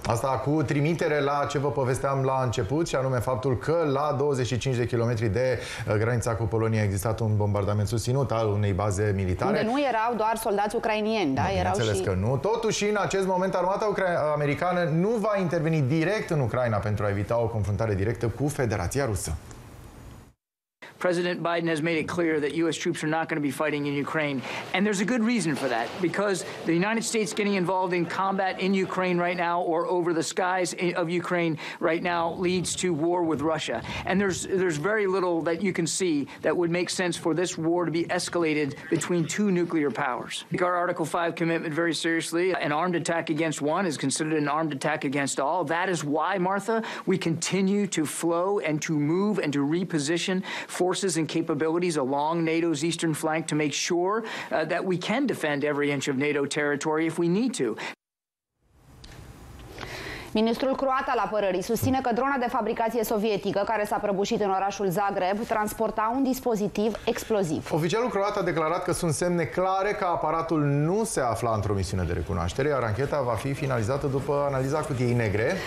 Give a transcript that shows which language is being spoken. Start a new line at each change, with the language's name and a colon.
Romanian: Asta cu trimitere la ce vă povesteam la început, și anume faptul că la 25 de kilometri de granița cu Polonia a existat un bombardament susținut al unei baze militare. Unde nu erau doar soldați ucrainieni, da? Bineînțeles că nu. Totuși, în acest moment, armata americană nu va interveni direct în Ucraina pentru a evita o confruntare directă cu Federația Rusă.
English: President Biden has made it clear that U.S. troops are not going to be fighting in Ukraine. And there's a good reason for that, because the United States getting involved in combat in Ukraine right now or over the skies of Ukraine right now leads to war with Russia. And there's very little that you can see that would make sense for this war to be escalated between two nuclear powers. We take our Article 5 commitment very seriously. An armed attack against one is considered an armed attack against all. That is why, Martha, we continue to flow and to move and to reposition forces and capabilities along NATO's eastern flank to make sure that we can defend every inch of NATO territory if we need to.
Romanian: Ministrul croat al apărării susține că drona de fabricație sovietică care s-a prăbușit în orașul Zagreb transporta un dispozitiv exploziv. Oficialul croat a declarat că sunt semne clare că aparatul nu se afla într-o misiune de recunoaștere, iar ancheta va fi finalizată după analiza cutiei negre.